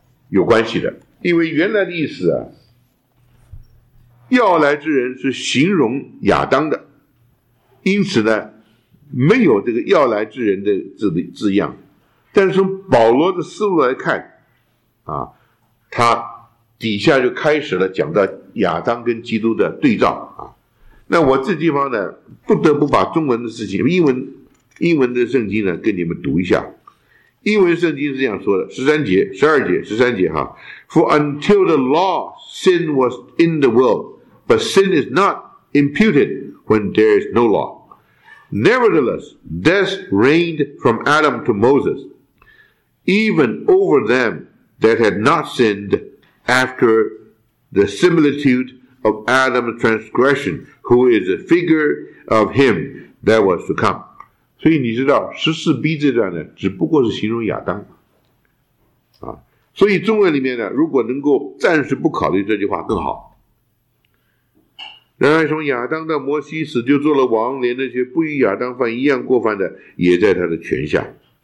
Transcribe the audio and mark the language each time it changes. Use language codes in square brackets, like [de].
[zh] 有关系的，因为原来的意思啊，要来之人是形容亚当的，因此呢，没有这个要来之人的字样。但是从保罗的思路来看，啊，他底下就开始了讲到亚当跟基督的对照啊。那我这地方呢，不得不把中文的事情，英文的圣经呢，跟你们读一下。 [en] 英文圣经是这样说的，十二节哈，For until the law, sin was in the world, but sin is not imputed when there is no law. Nevertheless, death reigned from Adam to Moses, even over them that had not sinned after the similitude of Adam's transgression. Who is a figure of him that was to come. [zh] 所以你知道 ,14B 这段呢只不过是形容亚当。啊、所以中文里面呢如果能够暂时不考虑这句话更好。然而从亚当到摩西死就做了王，连那些不与亚当犯一样过犯的也在他的权下。